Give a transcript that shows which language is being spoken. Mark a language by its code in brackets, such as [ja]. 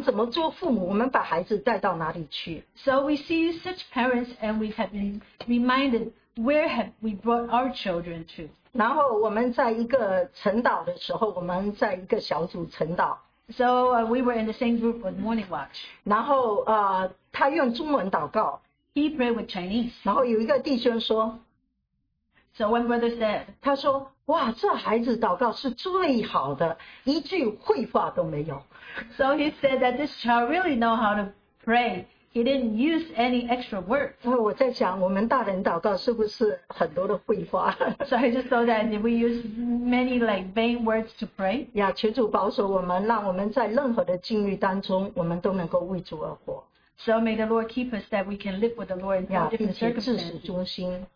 [zh] 所以我们看到这样的父母，我们怎么做父母？我们把孩子带到哪里去？ [en] So we see such parents, and we have been reminded, where have we brought our children to? [zh] 然后我们在一个晨祷的时候，我们在一个小组晨祷。 [en] So we were in the same group with Morning Watch. [zh] 然后他用中文祷告。 [en] He prayed with Chinese. [zh] 然后有一个弟兄说， [en] So one brother said, [zh] 他说， 哇，这孩子祷告是最好的，一句废话都没有。 [en] So he said that this child really know how to pray. He didn't use any extra words. [zh] 我在想，我们大人祷告是不是很多的废话？ [en] So I just thought that we use many like vain words to pray. [zh] 呀，求主保守我们，让我们在任何的境遇当中，我们都能够为主而活。 [en] So may the Lord keep us that we can live with the Lord in all different circumstances.